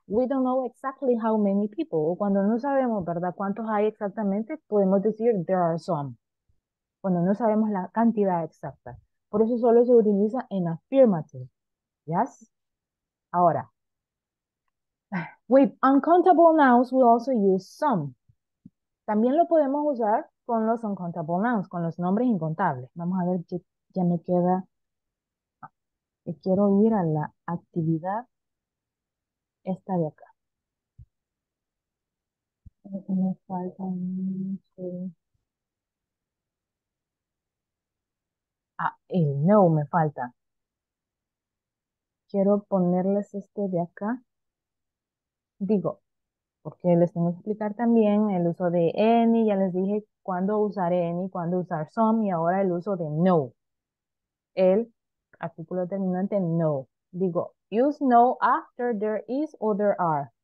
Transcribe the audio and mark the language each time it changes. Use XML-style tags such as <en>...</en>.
<en>We don't know exactly how many people.</en> <es>O cuando no sabemos, ¿verdad?, cuántos hay exactamente, podemos decir</es> <en>there are some.</en> <es>Cuando no sabemos la cantidad exacta. Por eso solo se utiliza en affirmative. ¿Yes? Ahora,</es> <en>with uncountable nouns, we also use some.</en> <es>También lo podemos usar con los uncountable nouns, con los nombres incontables. Vamos a ver, ya me queda. Y quiero ir a la actividad esta de acá. Me falta mucho. Ah, el no me falta. Quiero ponerles este de acá. Digo, porque les tengo que explicar también el uso de any. Ya les dije cuándo usar any, cuándo usar some. Y ahora el uso de no. El artículo terminante, no. Digo,</es> <en>use no after there is or there are.</en>